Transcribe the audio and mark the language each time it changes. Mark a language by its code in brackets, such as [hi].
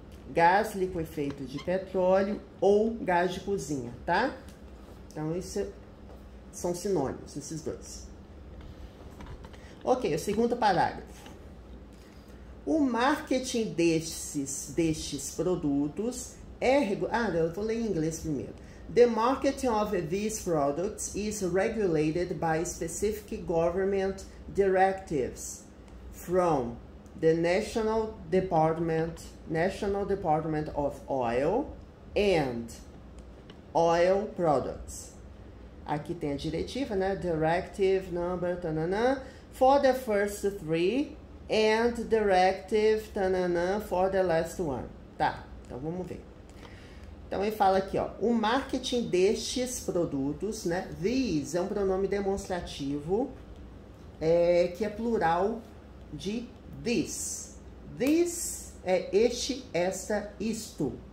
[pt] Gás liquefeito de petróleo ou gás de cozinha, tá? Então, isso são sinônimos, esses dois. Ok, o segundo parágrafo. O marketing destes produtos eu vou ler em inglês primeiro. [en] The marketing of these products is regulated by specific government directives from the National Department of Oil and Oil Products. [pt] Aqui tem a diretiva, né? [en] Directive number, tanana, for the first three and directive, tanana, for the last one. [pt] Tá, então vamos ver. Então ele fala aqui, ó, o marketing destes produtos, né? These é um pronome demonstrativo, que é plural de this. This é este, esta, isto.